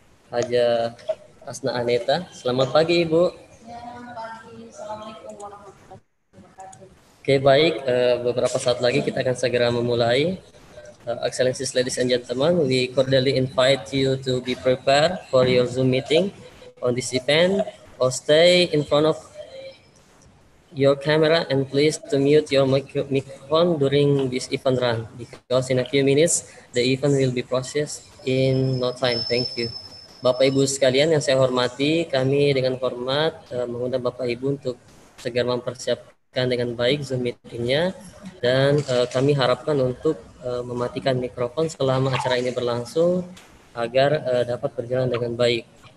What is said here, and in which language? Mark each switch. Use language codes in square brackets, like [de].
[id] Haja Asna Aneta. Selamat pagi Ibu. Oke, baik, beberapa saat lagi kita akan segera memulai. [en] Excellencies, ladies and gentlemen, we cordially invite you to be prepared for your Zoom meeting on this event, or stay in front of your camera and please to mute your microphone during this event run, because in a few minutes the event will be processed in no time. Thank you. [id] Bapak Ibu sekalian yang saya hormati, kami dengan hormat mengundang Bapak Ibu untuk segera mempersiapkan dengan baik Zoom meeting-nya, dan kami harapkan untuk mematikan mikrofon selama acara ini berlangsung agar dapat berjalan dengan baik.